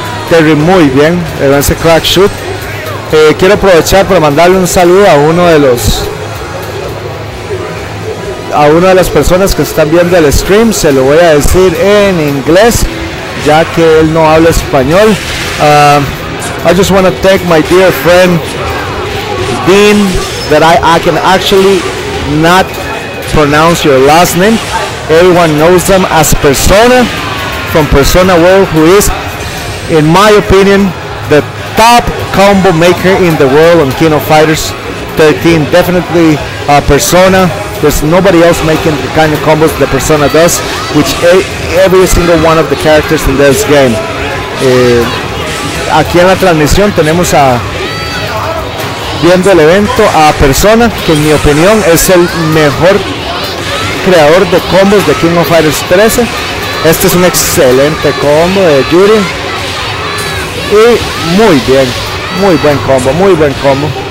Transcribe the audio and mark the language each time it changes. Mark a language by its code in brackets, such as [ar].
[es] Terry muy bien, ese crack shoot. Quiero aprovechar para mandarle un saludo a una de las personas que están viendo el stream. Se lo voy a decir en inglés, ya que él no habla español. [en] I just want to thank my dear friend Dean, that I can actually not pronounce your last name. Everyone knows them as Persona from Persona World, who is, in my opinion, the top combo maker in the world on King of Fighters 13. Definitely Persona. There's nobody else making the kind of combos that Persona does, which every single one of the characters in this game. [es] Aquí en la transmisión tenemos a, viendo el evento, a Persona, que en mi opinión es el mejor creador de combos de King of Fighters 13. Este es un excelente combo de Yuri. Y muy bien, muy buen combo, muy buen combo.